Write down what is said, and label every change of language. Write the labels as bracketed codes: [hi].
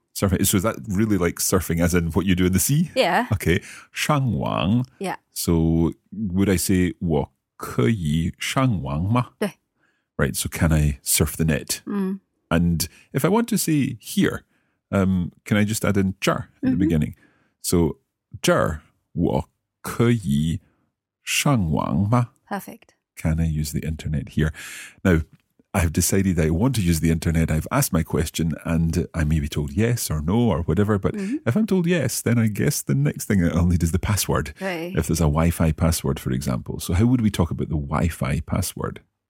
[en] So is that really like surfing as in what you do in the sea? Yeah. [zh] Okay, 上网. [en] Yeah. So would I say [zh] 我可以上网吗? 对. [en] Right, so can I surf the net? And if I want to say here, can I just add in 这儿 in the beginning? [zh] So 这儿我可以 上网吗? [en] Perfect. Can I use the internet here? Now, I've decided I want to use the internet. I've asked my question and I may be told yes or no or whatever. But if I'm told yes, then I guess the next thing I'll need is the password. Right. If there's a Wi-Fi password, for example. So how would we talk about the Wi-Fi password?